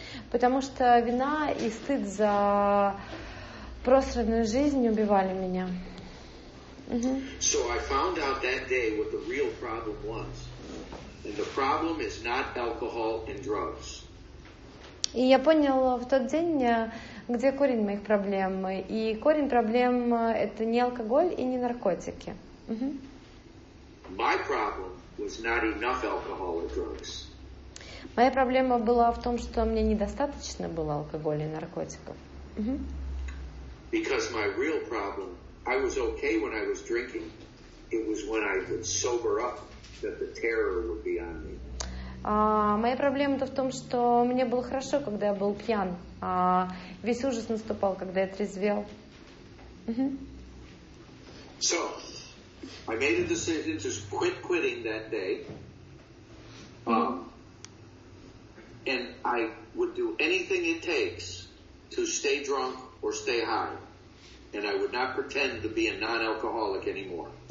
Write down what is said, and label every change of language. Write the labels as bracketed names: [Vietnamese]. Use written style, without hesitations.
[Russian] Потому что вина и стыд за просранную жизнь убивали меня. [English] So I found out that day what the real problem was. And the problem is not alcohol and drugs. [Russian] И я понял в тот день, где корень моих проблем. И корень проблем это не алкоголь и не наркотики. [English] My problem was not enough alcohol or drugs. [Russian] Моя проблема была в том, что мне недостаточно было алкоголя и наркотиков. [English] Because my real problem, I was okay when I was drinking. It was when I would sober up. That the terror would be on me. [Russian] Моя проблема-то в том, что мне было хорошо, когда я был пьян. Весь ужас наступал, когда я трезвел. [English] So, I made a decision to quit quitting that day. And I would do anything it takes to stay drunk or stay high. And I would not pretend to be a non-alcoholic anymore.